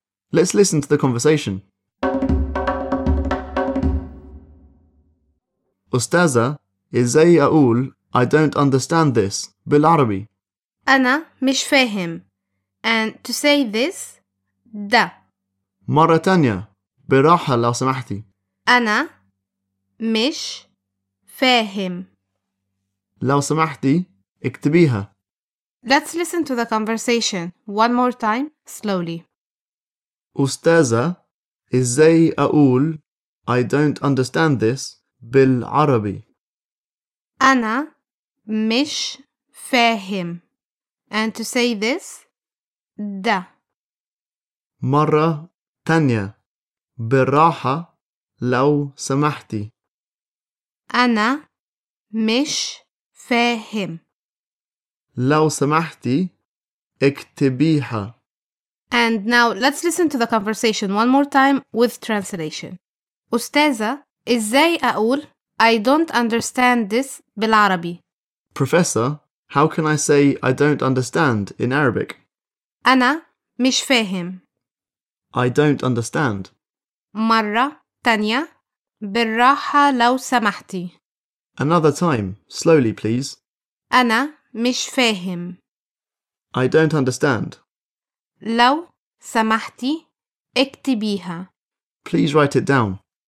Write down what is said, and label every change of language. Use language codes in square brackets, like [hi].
[en] Let's listen to the conversation. [ar] Ustaza, ازاي أقول [en] I don't understand this [ar] بالعربي. أنا مش فاهم. [en] And to say this, ده. [ar] مرة تانية براحة لو سمحتي. أنا مش فاهم. لو سمحتي اكتبيها. [en] Let's listen to the conversation one more time slowly. [ar] أستاذة إزاي أقول [en] I don't understand this [ar] بالعربي. أنا مش فاهم. [en] And to say this, ده. [ar] مرة تانية براحة لو سمحتي. أنا مش فاهم. لو سمحتي اكتبيها. [en] And now let's listen to the conversation one more time with translation. [ar] أستاذة, إزاي أقول [en] I don't understand this [ar] بالعربي. [en] Professor, how can I say I don't understand in Arabic? [ar] أنا مش فاهم. [en] I don't understand. [ar] مرة تانية بالراحة لو سمحتي. [en] Another time, slowly please. [ar] أنا مش فاهم. [en] I don't understand. [ar] لو سمحتي اكتبيها. [en] Please write it down.